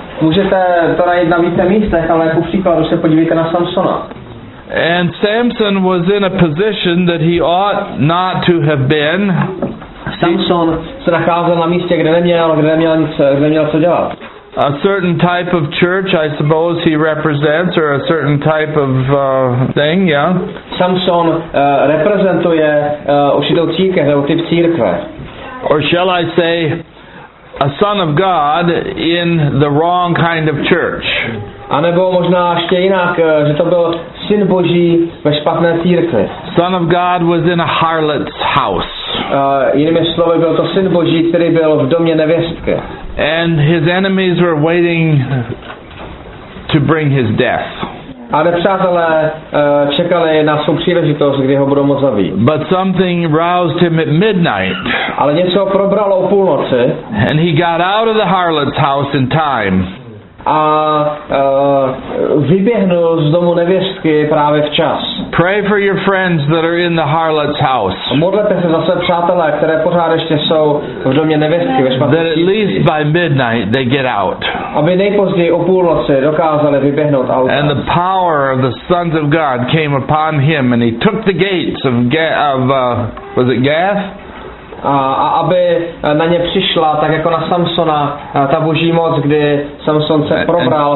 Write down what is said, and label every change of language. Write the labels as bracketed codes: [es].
[cs] Můžete to najít na více místech, ale ku příkladu se podívejte na Samsona. [en] And Samson was in a position that he ought not to have been. [cs] Samson se nacházel na místě, kde neměl co dělat. [en] A certain type of church, I suppose, he represents, or a certain type of thing, yeah. [cs] Samson reprezentuje určitou církev, nebo typ církve. [en] Or shall I say, a son of God in the wrong kind of church. [cs] A nebo možná ještě jinak, že to byl syn Boží ve špatné církvi. [en] Son of God was in a harlot's house. [cs] Jinými slovy, byl to syn Boží, který byl v domě nevěstky. [en] And his enemies were waiting to bring his death. [cs] A nepřátelé čekali na svou příležitost, kdy ho budou moct zabít. [en] But something roused him at midnight. [cs] Ale něco probralo o půlnoci. [en] And he got out of the harlot's house in time. [cs] A vyběhnul z domu nevěstky právě včas. [en] Pray for your friends that are in the harlot's house. [cs] Modlete se za své přátelé, které pořád ještě jsou v domě nevěstky ve špatné. [en] That at least by midnight they get out. [cs] Aby nejpozději o půlnoci dokázali vyběhnout a [en] And the power of the sons of God came upon him and he took the gates of was it Gath? [cs] A aby na ně přišla, tak jako na Samsona, ta boží moc, kdy Samson se probral,